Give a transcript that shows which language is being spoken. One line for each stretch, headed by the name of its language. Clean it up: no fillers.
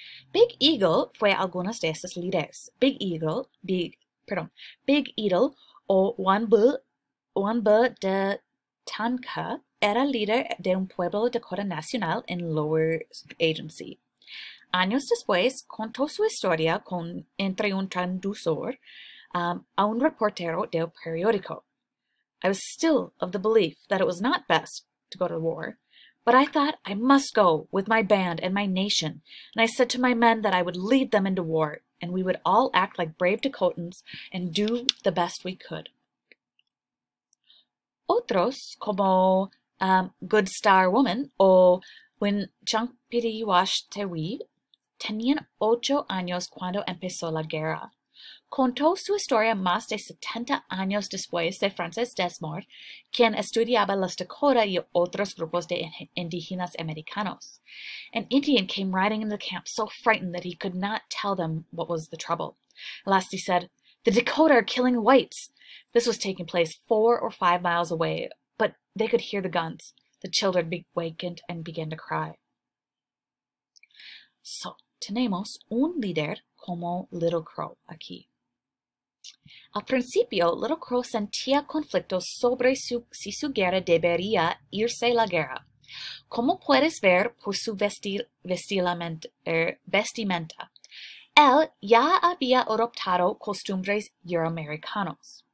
Spanish: Big Eagle fue alguno de estos líderes. Big Eagle o Wamba de Tanka era líder de un pueblo Dakota Nacional en Lower Agency. Años después, contó su historia entre un traductor a un reportero del periódico.
English: I was still of the belief that it was not best to go to war, but I thought I must go with my band and my nation, and I said to my men that I would lead them into war, and we would all act like brave Dakotans and do the best we could.
Spanish: Otros, como Good Star Woman o Winchampiriwashtewi, tenían 8 años cuando empezó la guerra. Contó su historia más de 70 años después de Frances Desmond, quien estudiaba los Dakota y otros grupos de indígenas americanos.
English: An Indian came riding into the camp so frightened that he could not tell them what was the trouble. At last he said, "The Dakota are killing whites." This was taking place 4 or 5 miles away, but they could hear the guns. The children be wakened and began to cry. So,
Spanish: tenemos un líder como Little Crow aquí. Al principio, Little Crow sentía conflictos sobre si su guerra debería irse a la guerra. Como puedes ver por su vestimenta, él ya había adoptado costumbres euroamericanos.